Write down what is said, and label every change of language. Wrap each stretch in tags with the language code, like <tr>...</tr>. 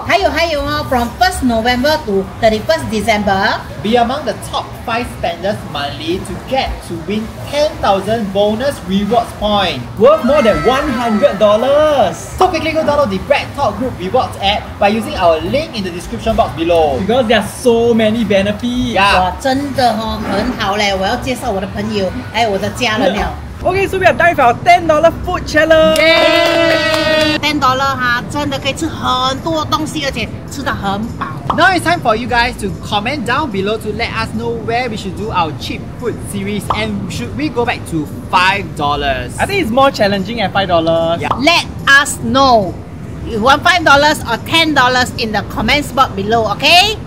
<zh>还有哦,</zh> <en>from 1st November to 31st December, be among the top 5 spenders monthly to get to win 10,000 bonus rewards points worth more than $100. So quickly go download the Bread Talk Group Rewards app by using our link in the description box below. Because there are so many benefits. Yeah. Wow,</en> <zh>真的哦，很好嘞，我要介绍我的朋友，还有我的家人了。</zh> <en>Okay, so we are done with our $10 food challenge.</en> <zh>$10 哈，真的可以吃很多东西，而且吃得很饱。</zh> <en>Now it's time for you guys to comment down below to let us know where we should do our cheap food series and should we go back to $5. I think it's more challenging at $5. Yeah. Let us know. You want $5 or $10 in the comment spot below, okay?</en>